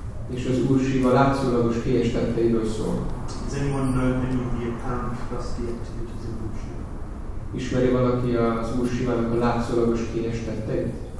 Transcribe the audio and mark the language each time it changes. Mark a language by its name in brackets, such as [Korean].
[Hungarian] És az Úr Shiva látszólagos kélyes tetteiről szól. [English] Does anyone know any of the apparent lusty activities of Lord Shiva? [Hungarian] Ismeri valaki az Úr Shivának a látszólagos kélyes tetteit?